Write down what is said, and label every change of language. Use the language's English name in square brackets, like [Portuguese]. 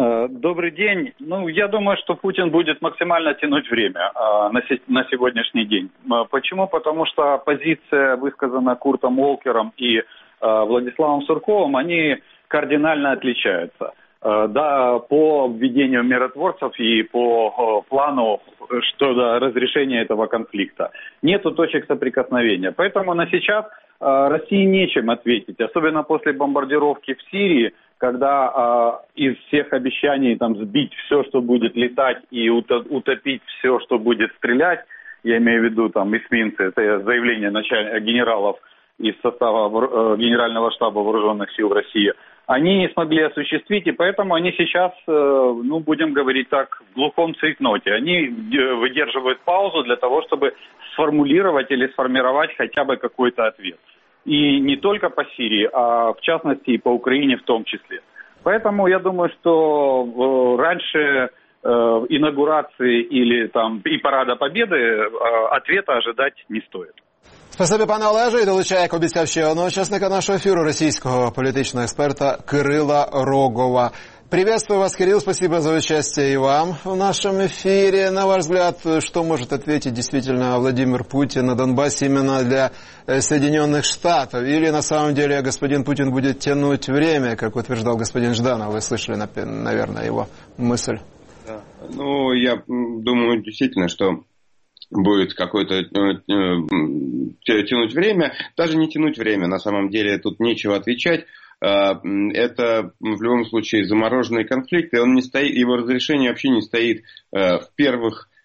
[Ukrainian] Добрий день. Ну, я думаю, що Путін буде максимально [Russian] тянути время [Ukrainian] на сьогоднішній день. Чому? Тому що позиція, висказана Куртом Волкером і Владиславом Сурковим, вони кардинально відрізняються. [Russian] Да, по введению миротворцев и по плану что-то разрешения этого конфликта. Нету точек соприкосновения. Поэтому на сейчас России нечем ответить. Особенно после бомбардировки в Сирии, когда из всех обещаний там сбить все, что будет летать, и утопить все, что будет стрелять, я имею в виду там эсминцы, это заявление генералов из состава Генерального штаба Вооруженных сил России, они не смогли осуществить, и поэтому они сейчас, ну, будем говорить так, в глухом цейтноте. Они выдерживают паузу для того, чтобы сформулировать или сформировать хотя бы какой-то ответ. И не только по Сирии, а в частности и по Украине в том числе. Поэтому я думаю, что раньше инаугурации или там и парада победы ответа ожидать не стоит. [Ukrainian] Спасибі, пане Олеже, і долучаю, як обіцяв, ще одного учасника нашого ефіру, російського політичного експерта Кирила Рогова. Привітаю вас, Кирил, спасибі за участь і вам в нашому ефірі. [Russian] На ваш взгляд, [Ukrainian] що може відповісти дійсно Владимир Путін на Донбасі іменно для Сполучених Штатів? [Russian] Ілі, на самом деле, господин Путін буде тянути время, як утверждав господин Жданов? Ви слышали, наверное, [Ukrainian] його [Russian] мысль? Ну, я думаю, [Ukrainian] дійсно, що [Russian] будет какое-то тянуть время, даже не тянуть время, на самом деле тут нечего отвечать. Это в любом случае замороженный конфликт, и он не стоит, его разрешение вообще не стоит в первых